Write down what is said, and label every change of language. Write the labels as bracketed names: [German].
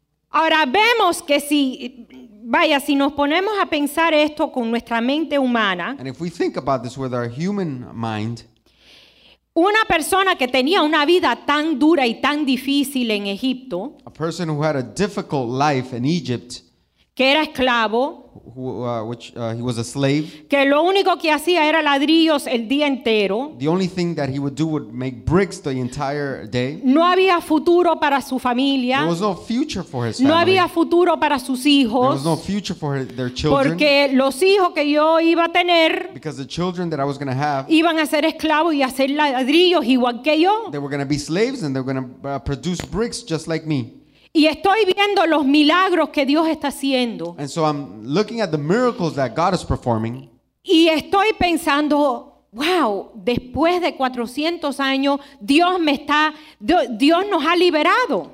[Spanish] Ahora vemos que si, vaya, si nos ponemos a pensar esto con nuestra mente humana. [English] And if we think about this with our human mind. [Spanish] Una persona que tenía una vida tan dura y tan difícil en Egipto. [English] A person who had a difficult life in Egypt. [Spanish] Que era esclavo. [English] He was a slave. [Spanish] Que lo único que hacía era ladrillos el día entero. [English] The only thing that he would do would make bricks the entire day. [Spanish] No había futuro para su familia. [English] There was no future for his family. [Spanish] No había futuro para sus hijos. [English] There was no future for their children. [Spanish] Porque los hijos que yo iba a tener. [English] Because the children that I was going to have. [Spanish] Iban a ser esclavos y hacer ladrillos igual que yo. [English] They were going to be slaves and they were going to produce bricks just like me. [Spanish] Y estoy viendo los milagros que Dios está haciendo. [English] And so I'm looking at the miracles that God is performing. [Spanish] Y estoy pensando, wow, después de 400 años, Dios nos ha liberado.